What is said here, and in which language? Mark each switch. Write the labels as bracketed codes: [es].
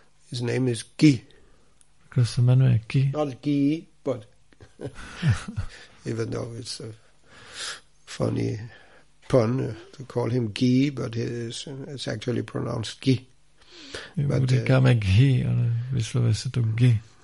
[en] His name is Guy. [cs] Kdo se jmenuje Guy? [en] Not Guy, but even though it's a funny pun to call him Guy, but it's actually pronounced Guy. [cs] But říkáme Guy, ale vyslovuje se to Guy.